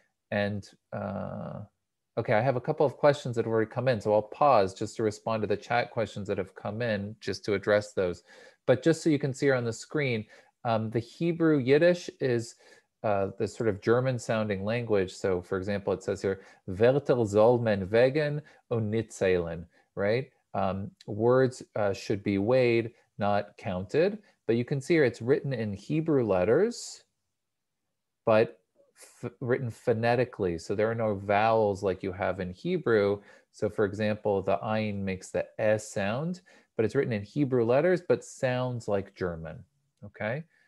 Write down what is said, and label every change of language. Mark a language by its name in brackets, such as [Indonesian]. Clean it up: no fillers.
[English] Okay, I have a couple of questions that have already come in. So I'll pause just to respond to the chat questions that have come in just to address those. But just so you can see here on the screen, the Hebrew Yiddish is the sort of German sounding language. So for example, it says here, [German] Wörter soll man wägen und nicht zählen, [English] right? Words should be weighed, not counted. But you can see here, it's written in Hebrew letters, but written phonetically. So there are no vowels like you have in Hebrew. So for example, the ein makes the S sound, but it's written in Hebrew letters, but sounds like German, okay?